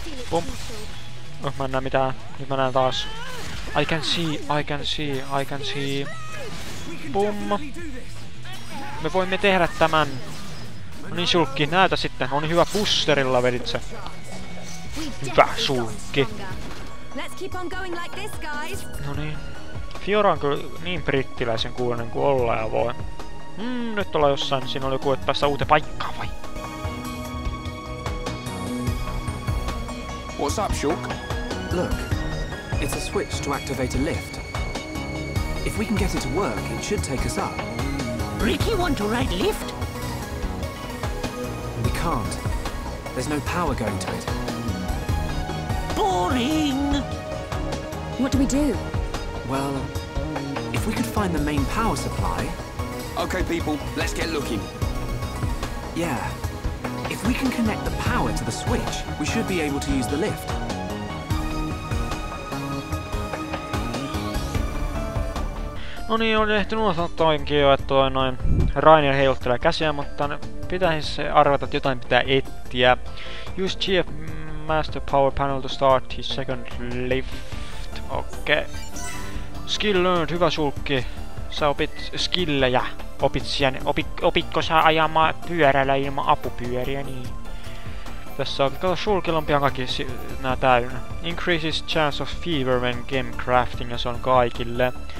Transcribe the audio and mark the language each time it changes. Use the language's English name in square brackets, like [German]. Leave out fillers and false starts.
[Finnish] Pum. Oh, mä en näe mitään. Nyt mä näen taas. [English] I can see. [Finnish] Bum. Me voimme tehdä tämän. No niin, sulkki, näytä sitten. On hyvä boosterilla, veditse. Hyvä sulkki. [English] Let's keep on going like this, guys. [Finnish] No niin. Fiora on kyllä niin brittiläisen kuulonen kuin olla ja voi. Nyt ollaan jossain, siinä oli joku, että päästään uuteen paikkaan vai? [English] What's up, Shulk? Look, it's a switch to activate a lift. If we can get it to work, it should take us up. Ricky want to ride lift? We can't. There's no power going to it. Boring! What do we do? Well, if we could find the main power supply... Okay, people, let's get looking. Yeah. If we can connect the power to the switch, we should be able to use the lift. [Finnish] No niin, on ehtinyt unohtaa oikein jo, että toi noin Rainier heiluttelee käsiä, mutta pitäisi arvata, että jotain pitää etsiä. [English] Use GF Master Power Panel to start his second lift. [Finnish] Okei. Okay. [English] Skill learned, [Finnish] hyvä sulkki. Sä opit skillejä. Opitko sä ajamaan pyörällä ilman apupyöriä, niin... Tässä on, kato, sulkilla on pian kaikki nää täynnä. [English] Increases chance of fever when game crafting, [Finnish] ja se on kaikille.